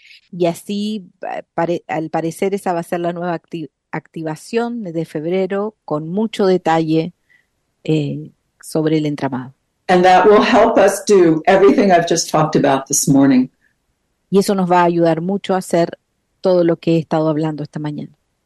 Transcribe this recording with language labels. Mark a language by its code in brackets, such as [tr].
[es] Y así, al parecer, esa va a ser la nueva activación de febrero con mucho detalle sobre el entramado. [en] And that will help us do everything I've just talked about this morning. [es] Y eso nos va a ayudar mucho a hacer todo lo que he estado hablando esta mañana.